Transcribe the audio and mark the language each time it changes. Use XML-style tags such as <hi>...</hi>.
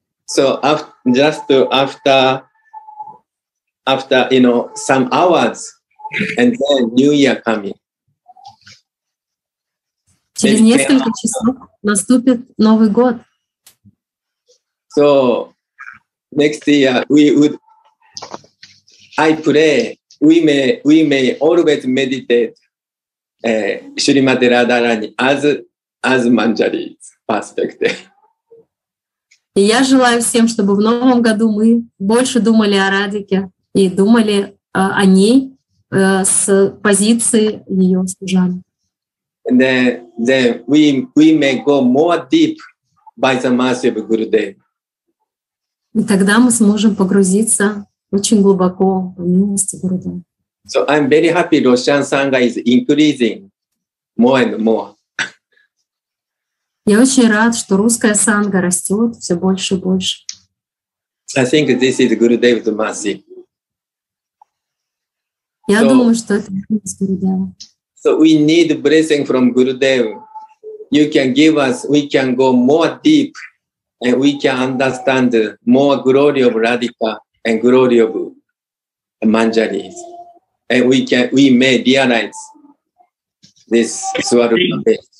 <en>So after you know some hours, and then New Year coming.</en> <ru>Через несколько часов наступит Новый год.</ru> <en>So next year we would. I pray we may always meditate Shrimati Radharani as Manjari's perspective.</en> <ru>И я желаю всем, чтобы в новом году мы больше думали о Радике и думали о ней с позиции ее служан.</ru> <en>And then we may go more deep by the mercy of Gurudev.</en> <ru>И тогда мы сможем погрузиться очень глубоко в милости Гурудева.</ru> <en>So I'm very happy Roshan Sangha is increasing more and more.</en> <ru>Я очень рад, что русская санга растет все больше и больше.</ru> <en>I think this is Gurudev's mercy.</en> <ru>Я думаю, что это милость Гурудева.</ru> <en>So we need blessing from Gurudev. You can give us, we can go more deep, and we can understand more glory of Radhika and glory of Manjari, and we may realize this Swarupa.</en>